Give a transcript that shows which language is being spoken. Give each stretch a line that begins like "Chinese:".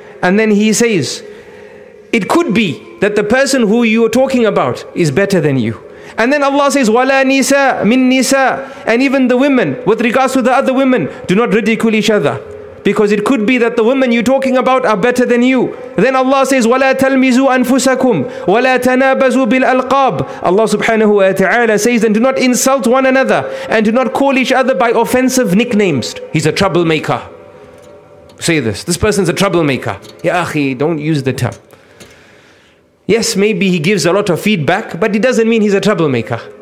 English: And then he says, it could be that the person who you are talking about is better than you. And then Allah says,
Arabic: وَلَا نِسَى مِن نِسَى.
English: And even the women, with regards to the other women, do not ridicule each other. Because it could be that the women you're talking about are better than you. Then Allah says,
Arabic: وَلَا تَلْمِزُوا أَنفُسَكُمْ وَلَا تَنَابَزُوا بِالْأَلْقَابِ.
English: Allah subhanahu wa ta'ala says, and do not insult one another, and do not call each other by offensive nicknames. He's a troublemaker. Say this, this person's a troublemaker. Ya akhi, don't use the term. Yes, maybe he gives a lot of feedback, but it doesn't mean he's a troublemaker.